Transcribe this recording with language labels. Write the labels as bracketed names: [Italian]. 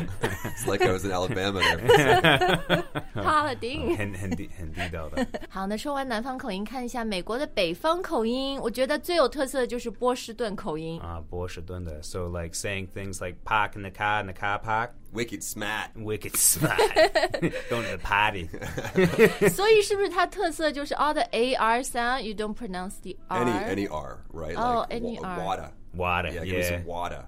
[English] It's like I was in Alabama there. [Chinese] 好的，那说完南方口音，看一下美国的北方口音。我觉得最有特色的就是波士顿口音。波士顿的。 [English] So like saying things like park in the car, in the car park. Wicked smart. Wicked smart. Going to the party. [Chinese] 所以是不是它特色就是 [English] all the AR sound, you don't pronounce the R? Any R, right? Oh, like any R. Water. Water, yeah. Give me some water.